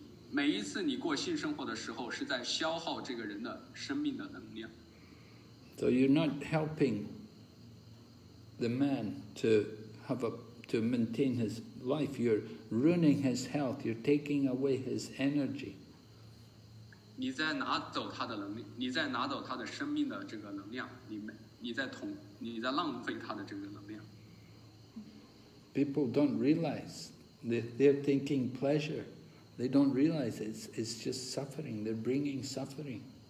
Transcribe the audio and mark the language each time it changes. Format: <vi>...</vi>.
<zh>每一次你过性生活的时候，是在消耗这个人的生命的能量。</zh> <en>So you're not helping the man to maintain his life. You're ruining his health. You're taking away his energy.</en> <zh>你在拿走他的能力，你在拿走他的生命的这个能量，你在浪费他的这个能量。</zh> <en>People don't realize they're taking pleasure. They don't realize it's just suffering. They're bringing suffering.</en>